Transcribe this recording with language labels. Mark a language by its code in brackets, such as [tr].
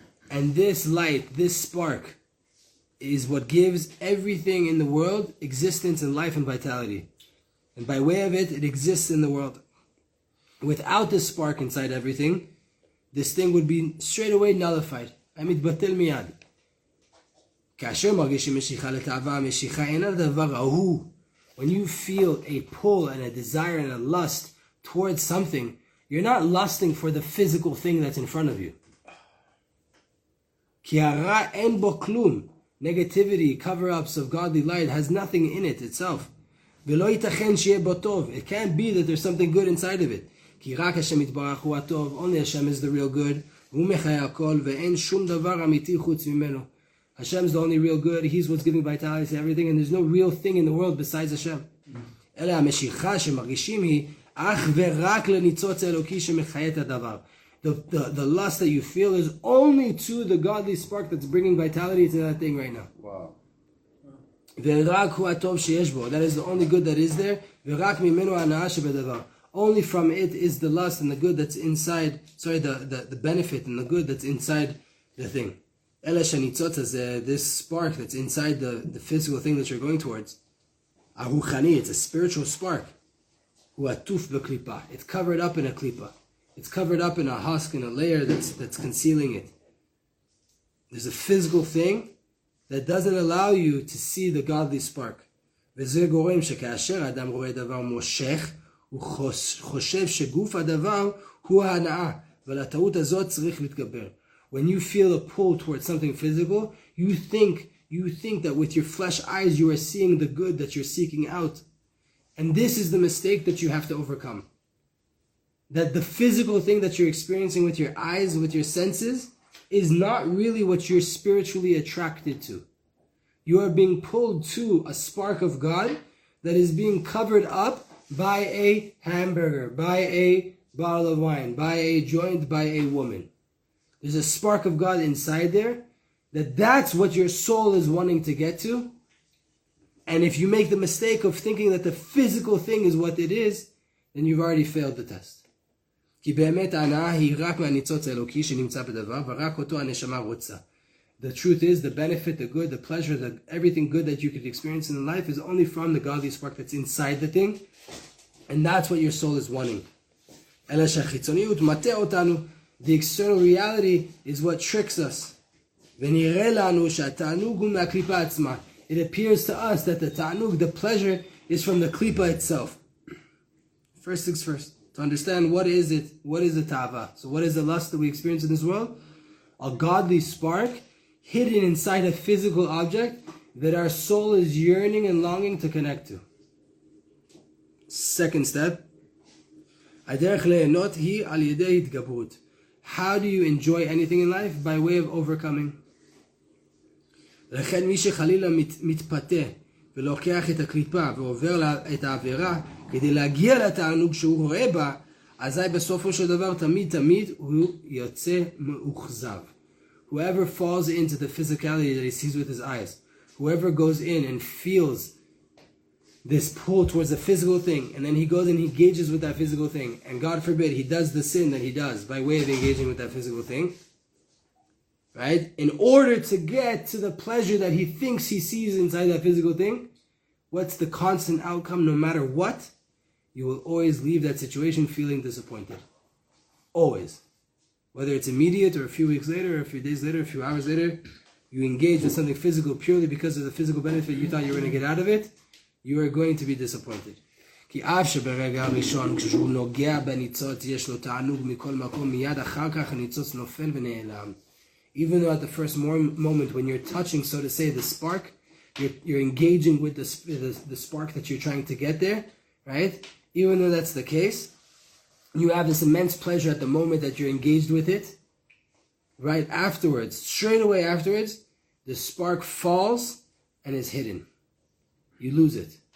[en] And this light, this spark, is what gives everything in the world existence and life and vitality. And by way of it, it exists in the world. Without this spark inside everything, this thing would be straight away nullified. [he] Amit batel miyad. כאשר מרגישים משיכה לתאווה, משיכה אינה דבר ההוא. [en] When you feel a pull and a desire and a lust towards something, you're not lusting for the physical thing that's in front of you. [he] כי הרע אין בו כלום. [en] Negativity, cover-ups of godly light has nothing in it itself. [he] ולא ייתכן שיהיה בו טוב. [en] It can't be that there's something good inside of it. [he] כי רק השם יתברך הוא הטוב. [en] Only Hashem is the real good. [he] הוא מחיה הכל ואין שום דבר אמיתי חוץ ממנו. [en] Hashem is the only real good. He's what's giving vitality to everything, and there's no real thing in the world besides Hashem. [he] אלא המשיכה שמרגישים היא אך ורק לניצוץ האלוקי שמחיה את הדבר. [en] The lust that you feel is only to the godly spark that's bringing vitality to that thing right now. Wow. [he] ורק הוא הטוב שיש בו. [en] That is the only good that is there. [he] ורק ממנו הנאה שבדבר. [en] Only from it is the lust and the good that's inside. Sorry, the benefit and the good that's inside the thing. [he] אלא שניצוץ הזה, [en] this spark that's inside the physical thing that you're going towards, [he] הרוחני, [en] it's a spiritual spark, [he] הוא עטוף בקליפה, [en] it's covered up in a klipa, it's covered up in a husk, in a layer that's concealing it. There's a physical thing that doesn't allow you to see the godly spark. [he] וזה גורם שכאשר אדם רואה דבר מושך, הוא חושב שגוף הדבר הוא ההנאה, ועל הטעות הזאת צריך להתגבר. [en] When you feel a pull towards something physical, you think that with your flesh eyes you are seeing the good that you're seeking out. And this is the mistake that you have to overcome. That the physical thing that you're experiencing with your eyes, with your senses, is not really what you're spiritually attracted to. You are being pulled to a spark of God that is being covered up by a hamburger, by a bottle of wine, by a joint, by a woman. There's a spark of God inside there, that's what your soul is wanting to get to. And if you make the mistake of thinking that the physical thing is what it is, then you've already failed the test. [he] כי באמת ההנאה היא רק מהניצוץ האלוקי שנמצא בדבר, ורק אותו הנשמה רוצה. [en] The truth is, the benefit, the good, the pleasure, the everything good that you could experience in life is only from the godly spark that's inside the thing. And that's what your soul is wanting. [he] אלא שהחיצוניות מטה אותנו, [en] the external reality is what tricks us. [he] ונראה לנו שהתענוג הוא מהקליפה עצמה. [en] It appears to us that the ta'anug, the pleasure, is from the klipa itself. First things first, to understand what is it, what is the ta'ava? So what is the lust that we experience in this world? A godly spark hidden inside a physical object that our soul is yearning and longing to connect to. Second step, [he] הדרך ליהנות היא על ידי התגברות. [en] How do you enjoy anything in life? By way of overcoming. [he] לכן מי שחלילה מתפתה ולוקח את הקליפה ועובר את העבירה כדי להגיע לתענוג שהוא רואה בה, אזי בסופו של דבר תמיד הוא יוצא מאוכזב. [en] Whoever falls into the physicality that he sees with his eyes, whoever goes in and feels this pull towards a physical thing, and then he goes and he engages with that physical thing, and God forbid he does the sin that he does by way of engaging with that physical thing, right? In order to get to the pleasure that he thinks he sees inside that physical thing, what's the constant outcome no matter what? You will always leave that situation feeling disappointed. Always. Whether it's immediate or a few weeks later or a few days later, a few hours later, you engage with something physical purely because of the physical benefit you thought you were going to get out of it, you are going to be disappointed. [he] כי אף שברגע הראשון כשהוא נוגע בניצוץ יש לו תענוג מכל מקום, מיד אחר כך הניצוץ נופל ונעלם. [en] Even though at the first moment when you're touching, so to say, the spark, you're engaging with the spark that you're trying to get there, right? Even though that's the case, you have this immense pleasure at the moment that you're engaged with it. Right afterwards, straight away afterwards, the spark falls and is hidden. You lose it.